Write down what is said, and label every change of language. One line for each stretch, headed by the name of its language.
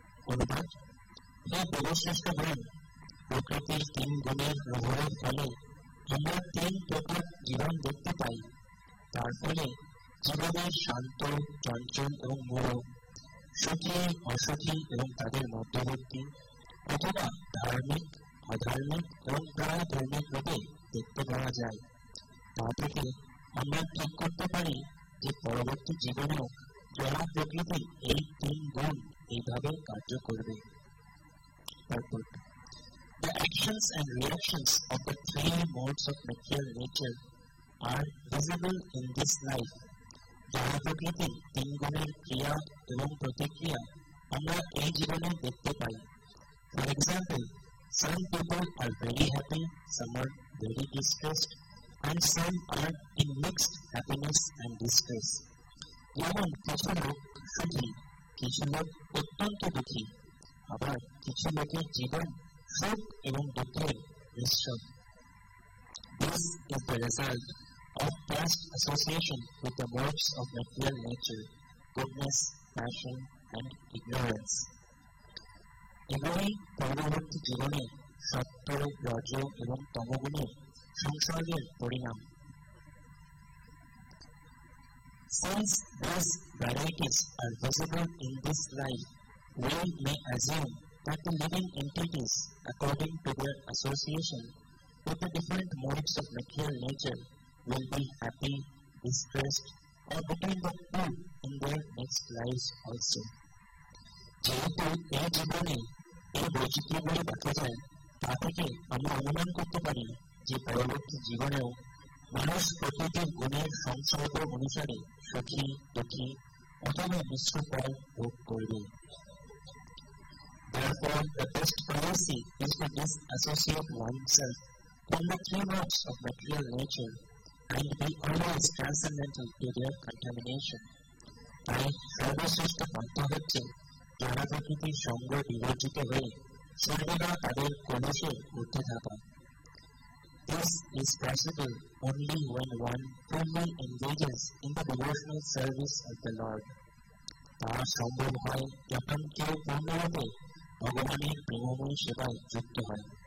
Bangla: Anubhat, he Devashrishtha Vran, Prakriti Tin Gunir Rahur Phale, Amra Tin Prakar Jivan Dekhte Pai, Tar Phale, Jivane Shanto, Chanchal O Moro, Shukhi, Ashukhi, Evam Tader Madhyavarti, Athoba Dharmik, অধার্মিক এবং প্রায় ধর্মিক ভাবে দেখতে পাওয়া যায়। তা থেকে আমরা ঠিক করতে পারি যে পরবর্তী জীবনেও জড় প্রকৃতি এই তিন গুণ এইভাবে কার্য করবে।
English: The actions and reactions of the three modes of material nature are visible in this life.
Bangla: জড় প্রকৃতি তিন গুণের ক্রিয়া এবং প্রতিক্রিয়া আমরা এই জীবনে দেখতে পাই।
English: For example, Some people are very happy, some are very distressed, and some are in mixed happiness and distress.
Bangla: যেমন কিছু লোক সুখী, কিছু লোক অত্যন্ত দুঃখী, আবার কিছু লোকের জীবন সুখ এবং দুঃখের মিশ্রণ।
English: This is the result of past association with the modes of material nature, goodness, passion, and ignorance.
Bangla: এভাবেই পরবর্তী জীবনে সত্য রজ এবং তমগুণের সংসর্গের পরিণাম।
English: Since these varieties are visible in this life, we may assume that the living entities, according to their association with the different modes of material nature, will be happy, distressed, or between the two in their next lives also.
Bangla: যেহেতু এই জীবনে এই বৈচিত্র্যগুলি দেখা যায়, তা থেকে আমরা অনুমান করতে পারি যে পরবর্তী জীবনেও মানুষ প্রকৃতির গুণের সংসর্গ অনুসারে সুখী, দুঃখী অথবা মিশ্র পথ ভোগ করবে।
English: Therefore, the best policy is to disassociate oneself from the three modes of material nature and be always transcendental to their contamination.
Bangla: তাই সর্বশ্রেষ্ঠ পন্থা হচ্ছে যারা প্রকৃতির সঙ্গে বিবর্জিত হয়ে সর্বদা তাদের কলেশে উঠতে থাকা।
English: This is possible only when one fully engages in the devotional service of the Lord.
Bangla: তা সম্ভব হয় যখন কেউ পূর্ণরূপে ভগবানের প্রেমময় সেবায় যুক্ত হয়।